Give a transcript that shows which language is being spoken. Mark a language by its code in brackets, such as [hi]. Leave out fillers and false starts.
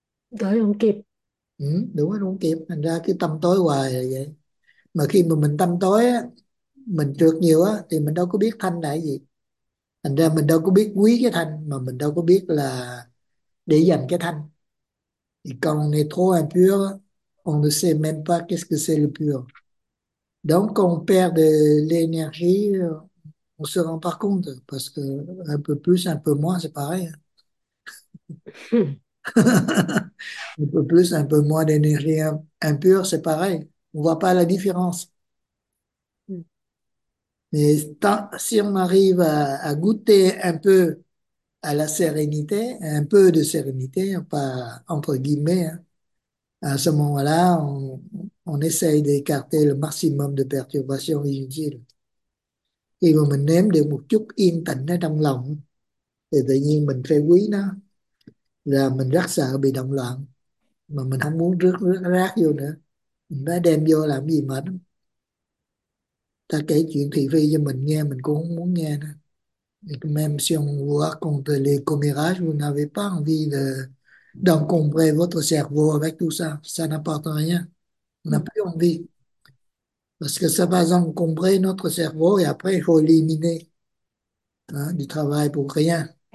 [vi] Đợi không kịp. Ừ, đúng rồi, đúng kịp. Thành ra cái tâm tối hoài là vậy. Mà khi mà mình tâm tối á, mình trượt nhiều á, thì mình đâu có biết thanh là gì. Thành ra mình đâu có biết quý cái thanh, mà mình đâu có biết là để dành cái thanh. Thì còn này thôi là [fr] pure, on ne sait même pas qu'est-ce que c'est le pure. Donc on perd de l'énergie, on se rend pas compte, parce que un peu plus, un peu moins, c'est pareil. Un peu plus, un peu moins d'énergie impure, c'est pareil. On voit pas la différence. Mais si on arrive à goûter un peu à la sérénité, un peu de sérénité, pas entre guillemets, hein, à ce moment-là, on essaye d'écarter le maximum de perturbations inutiles. [vi] Et mà mình nếm được một chút yên tĩnh ở trong lòng, thì tự nhiên mình phải quý nó. Là mình rất sợ bị động loạn, mà mình không muốn rác vô nữa, mình đã đem vô làm gì mệt lắm. Ta kể chuyện thị phi cho mình nghe, mình cũng không muốn nghe nữa. [fr] Même si on voit contre les commérages, vous n'avez pas envie d'encombrer votre cerveau avec tout ça. Ça n'apporte rien. On n'a plus envie. Parce que ça va encombrer notre cerveau et après, il faut éliminer, hein, du travail pour rien.